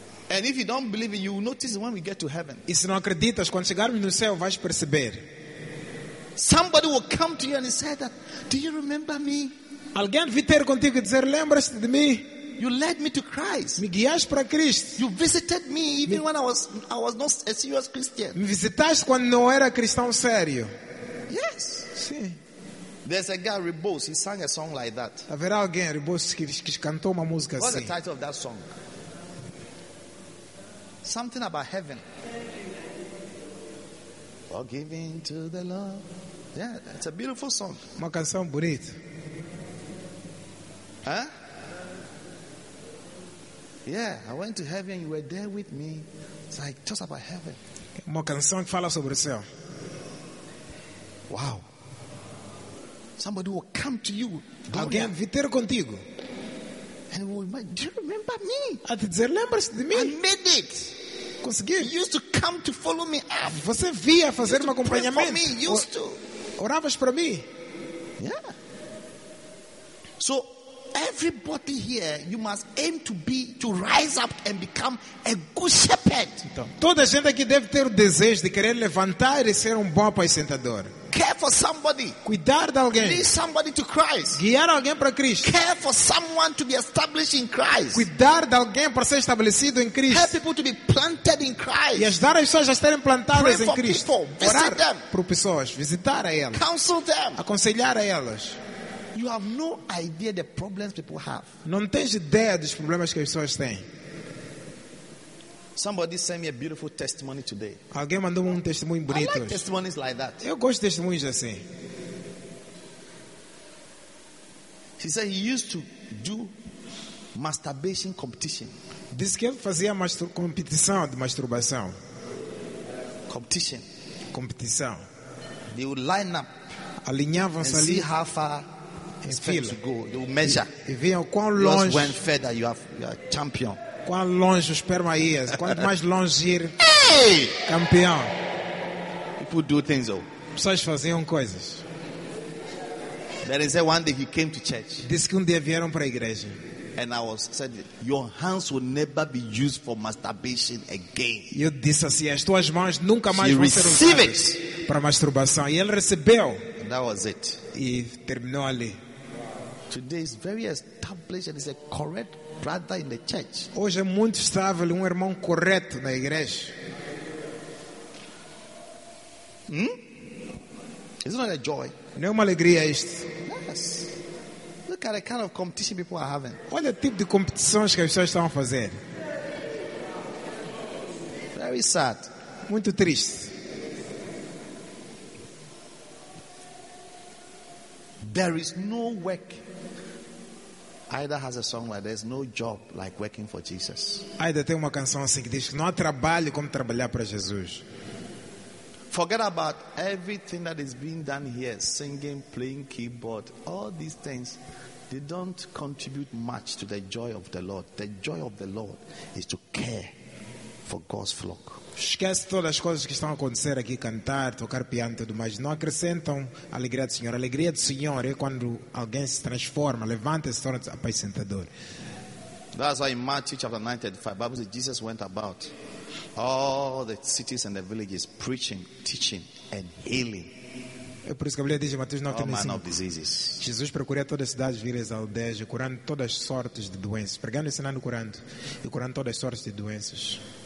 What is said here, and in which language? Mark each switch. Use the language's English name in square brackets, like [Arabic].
[English] And if you don't believe it, you will notice when we get to heaven. [Portuguese] E se não acreditas, quando chegarmos no céu, vais perceber. [English] Somebody will come to you and say that, do you remember me? [Portuguese] Alguém vai ter contigo e dizer, lembras-te de mim? [English] You led me to Christ. [Portuguese] Me guiaste para Cristo. [English] You visited me even when I was not a serious Christian. [Portuguese] Me visitaste quando não era cristão sério. [English] Yes. [Portuguese] Sim. [English] There's a guy, Rebos, he sang a song like that. [Portuguese] Haverá alguém, Rebos, que cantou uma música assim. [English] What's the title of that song? Something about heaven. Forgiving to the Lord. Yeah, it's a beautiful song. [Portuguese] Uma canção bonita. [English] Huh? Yeah, I went to heaven, you were there with me. It's like, just about heaven. [Portuguese] Uma canção que fala sobre o céu. [English] Wow. Somebody will come to you. [Portuguese] Alguém vai ter contigo. [English] And will remind, do you remember me? [Portuguese] A te dizer, lembras-te de mim? [English] I made it. [Portuguese] Consegui. [English] You used to come to follow me up. [Portuguese] Você via fazer um acompanhamento. [English] For me. Used to. [Portuguese] Oravas para mim. [English] Yeah. So everybody here, you must aim to be to rise up and become a good shepherd. [Portuguese] Então, toda a gente aqui deve ter o desejo de querer levantar e ser um bom apacentador. [English] Care for somebody. [Portuguese] Cuidar de alguém. [English] Lead somebody to Christ. [Portuguese] Guiar alguém para Cristo. [English] Care for someone to be established in Christ. [Portuguese] Cuidar de alguém para ser estabelecido em Cristo. [English] Help people to be planted in Christ. [Portuguese] E ajudar as pessoas a estarem plantadas [English] Pray [Portuguese] em Cristo. [English] For people. Visit [Portuguese] Orar [English] them. [Portuguese] Para pessoas, visitar a elas. [English] Counsel them. [Portuguese] Aconselhar a elas. [English] You have no idea the problems people have. [Portuguese] Não tens ideia dos problemas que as pessoas têm. [English] Somebody sent me a beautiful testimony today. [Portuguese] Alguém mandou um testemunho bonito. [English] I like testimonies like that. [Portuguese] Eu gosto de testemunhos assim. [English] She said he used to do masturbation competition. [Portuguese] Diz que ele fazia competição de masturbação. [English] Competition. [Portuguese] Competição. [English] They would line up. [Portuguese] Alinhavam-se [English] and [Portuguese] ali. [English] See how far [Portuguese] em fila. [English] To go. They would measure. [Portuguese] E viam quão longe. [English] When further you are champion. [Portuguese] Quão longe o esperma ia, quanto mais longe ir, [English] hey! [Portuguese] Campeão. [English] People do things, oh. [Portuguese] Pessoas faziam coisas. [English] There is a one day he came to church. [Portuguese] Disse que um dia vieram para a igreja. [English] And I was said, your hands will never be used for masturbation again. [Portuguese] Eu disse assim, as tuas mãos nunca mais [English] she [Portuguese] vão ser usadas para masturbação. E ele recebeu. [English] And that was it. [Portuguese] E terminou ali. [English] Today is very established and is a correct. Brother in the church. [Portuguese] Hoje é muito estável um irmão correto na igreja. [English] Hmm? Isn't that a joy? [Portuguese] Não é uma alegria isto? [English] Yes. Look at the kind of competition people are having. [Portuguese] Olha o tipo de competições que as pessoas estão a fazer. [English] Very sad. [Portuguese] Muito triste. [English] There is no work. Ida has a song where there's no job like working for Jesus. [Portuguese] Ida tem uma canção assim que diz que não há trabalho como trabalhar para Jesus. [English] Forget about everything that is being done here, singing, playing keyboard, all these things, they don't contribute much to the joy of the Lord. The joy of the Lord is to care for God's flock. [Portuguese] Esquece todas as coisas que estão a acontecer aqui, cantar, tocar piano e tudo mais. Não acrescentam a alegria do Senhor. A alegria do Senhor é quando alguém se transforma, levanta e se torna apacentador. [English] That's why in Matthew chapter 9, 35, Bible says Jesus went about all the cities and the villages preaching, teaching and healing. [Portuguese] É por isso que a Bíblia diz em Mateus 9:35, Jesus procurou todas as cidades, vilas, aldeias, curando todas as sortes de doenças, pregando e ensinando, curando e curando todas as sortes de doenças.